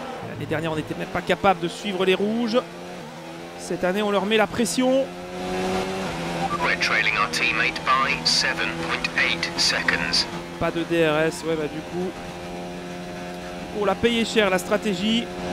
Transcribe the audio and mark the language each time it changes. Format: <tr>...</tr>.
<fr>L'année dernière, on n'était même pas capable de suivre les rouges. Cette année, on leur met la pression.</fr> <en>We're trailing our teammate by 7.8 seconds.</en> <fr>Pas de DRS, ouais, bah du coup. On l'a payé cher, la stratégie.</fr>